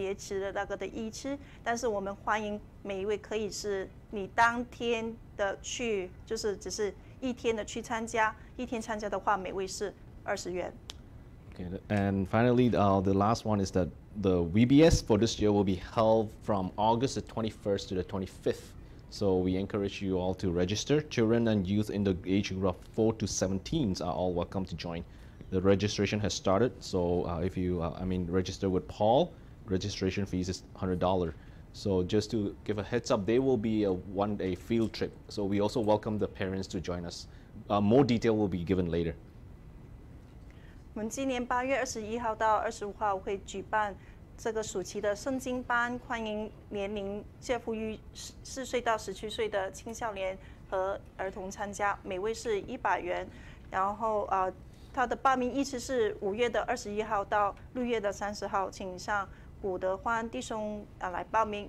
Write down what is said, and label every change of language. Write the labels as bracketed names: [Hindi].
[Chinese] 本堂将于在7月14号到16号在沙龙巴德利会举办这个夏令营，主题是在基督里一起的成长，成人是80元，小童12岁以下是40元。我们现在已经是很多人来报名了，所以我们会今天已经是截止了那个的一期，但是我们欢迎每一位可以是你当天的去，就是只是一天的去参加，一天参加的话，每位是二十元。 [English] Okay, and finally, the last one is that the VBS for this year will be held from August the 21st to the 25th. So we encourage you all to register. Children and youth in the age group of 4 to 17 are all welcome to join. The registration has started. So if you, register with Paul, registration fees is $100. So just to give a heads up, there will be a one-day field trip. So we also welcome the parents to join us. More detail will be given later. [Chinese] 我们今年8月21号到25号会举办这个暑期的圣经班，欢迎年龄介乎于4岁到17岁的青少年和儿童参加，每位是100元。然后他的报名日期是5月的21号到6月的30号，请上古德欢弟兄来报名。